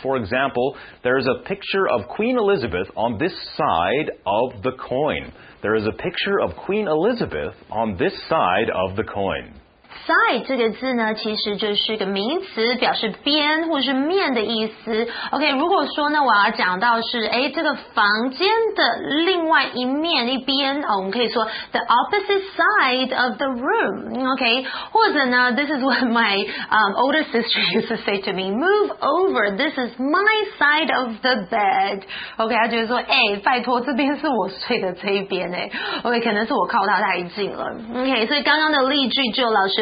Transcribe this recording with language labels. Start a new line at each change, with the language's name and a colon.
English: For example, there is a picture of Queen Elizabeth on this side of the coin. There is a picture of Queen Elizabeth on this side of the coin.
Chinese: Side 这个字呢，其实就是一个名词，表示边或是面的意思。 OK， 如果说呢，我要讲到是，哎，这个房间的另外一面一边，哦，我们可以说
English: the opposite side of the room。 OK，
Chinese: 或者呢
English: ，this is what my older sister used to say to me. Move over. This is my side of the bed.
Chinese: OK， 她就是说，哎，拜托，这边是我睡的这一边，哎。 OK， 可能是我靠他太近了。OK， 所以刚刚的例句就老师。